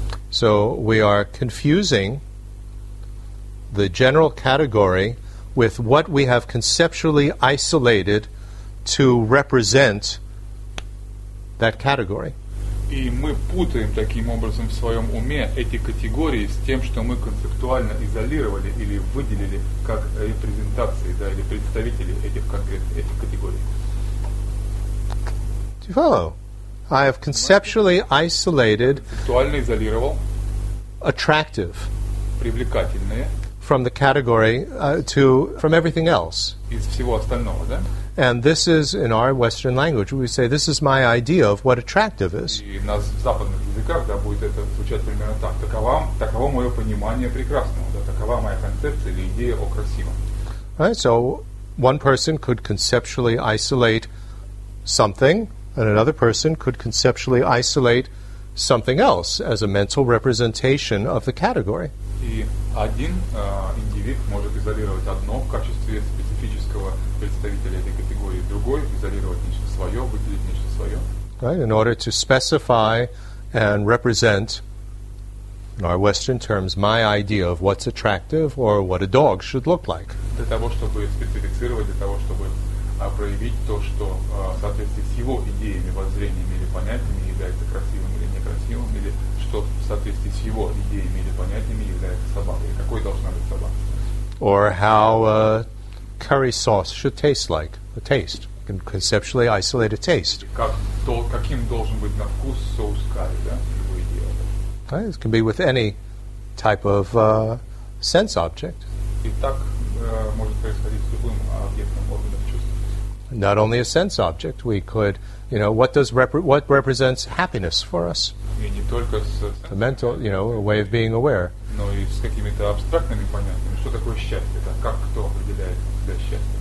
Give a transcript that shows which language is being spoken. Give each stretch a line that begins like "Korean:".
English: So we are confusing the general category with what we have conceptually isolated to represent that category.
Russian: И мы путаем таким образом в своем уме эти категории с тем, что мы концептуально изолировали или выделили как репрезентации, да, или представители этих категорий.
English: Do you follow? I have conceptually isolated attractive
Russian: привлекательные
English: from the category from everything else.
Russian: Из всего остального, да?
English: And this is, in our Western language, we say, this is my idea of what attractive is.
Russian: И у нас в западных языках, да, будет это звучать примерно так. Таково мое понимание прекрасного. Да, такова моя концепция или идея о красивом.
English: Right, so one person could conceptually isolate something, and another person could conceptually isolate something else as a mental representation of the category.
Russian: И один индивид может изолировать одно в качестве специфического представителя этой категории, другой изолировать нечто свое, выделить нечто свое.
English: Right, in order to specify and represent, in our Western terms, my idea of what's attractive or what a dog should look like.
Russian: Для того, чтобы специфицировать, для того, чтобы проявить то, что в соответствии с его идеями, воззрениями или понятиями является красивым или некрасивым, или что в соответствии с его идеями или понятиями является собакой, какой должна быть собака.
English: Or how curry sauce should taste like, a taste. You can conceptually isolate a taste.
Russian: Каким должен быть на вкус соус карри, да, его идея.
English: It can be with any type of sense object.
Russian: И так может происходить с любым объектом органов чувств.
English: Not only a sense object, we could, you know, what does what represents happiness for us?
Russian: И не только с
English: the mental, you know, a way of being aware.
Russian: Но и с какими-то абстрактными понятиями. Что такое счастье? Это как кто определяет для счастья?